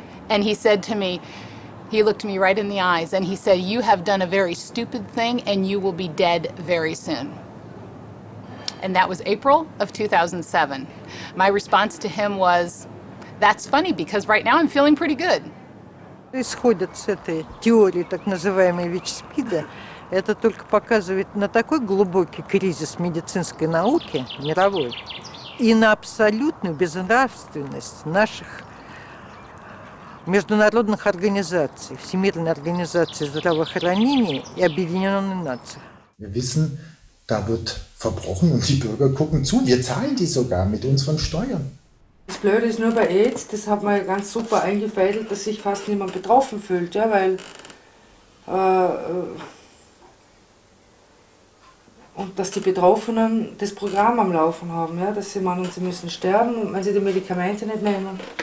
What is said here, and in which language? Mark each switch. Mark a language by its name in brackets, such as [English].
[English] And he said to me, he looked me right in the eyes and he said, you have done a very stupid thing and you will be dead very soon. And that was April of 2007. My response to him was, that's funny because right now I'm feeling pretty good. [Russian] Исходят с этой теории так называемой ВИЧ-СПИДа, это только показывает на такой глубокий кризис медицинской науки мировой и на абсолютную безнравственность наших международных организаций, Всемирной организации здравоохранения и Объединенных Наций. [German] Wir wissen, da wird verbrochen und die Bürger gucken zu. Wir zahlen die sogar mit unseren Steuern. Das Blöde ist nur bei AIDS, das hat man ganz super eingefädelt, dass sich fast niemand betroffen fühlt, ja, weil und dass die Betroffenen das Programm am Laufen haben, ja, dass sie meinen, sie müssen sterben, wenn sie die Medikamente nicht nehmen.